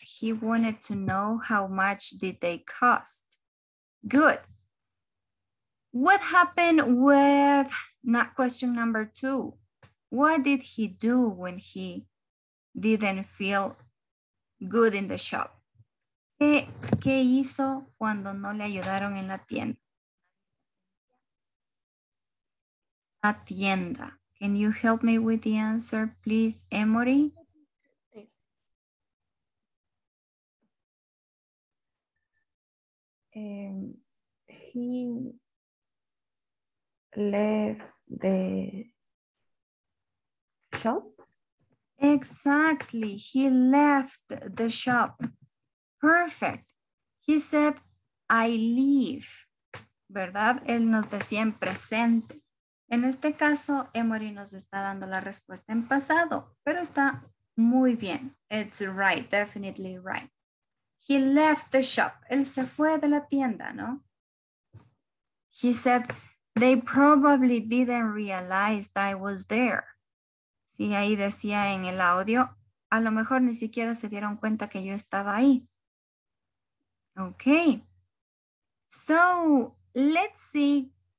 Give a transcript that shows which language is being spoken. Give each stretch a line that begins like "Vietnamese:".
English: He wanted to know how much did they cost. Good. What happened with not question number two? What did he do when he didn't feel good in the shop?
Spanish: ¿Qué hizo cuando no le ayudaron en la tienda? Tienda.
English: Can you help me with the answer, please, Emory? He left the shop. Exactly. He left the shop. Perfect. He said, I leave.
Spanish: ¿Verdad? Él nos decía en presente. En este caso, Emory nos está dando la respuesta en pasado, pero está muy bien.
English: It's right, definitely right. He left the shop.
Spanish: Él se fue de la tienda, ¿no?
English: He said, they probably didn't realize I was there.
Spanish: Sí, ahí decía en el audio, a lo mejor ni siquiera se dieron cuenta que yo estaba ahí.
English: Okay. So, let's see.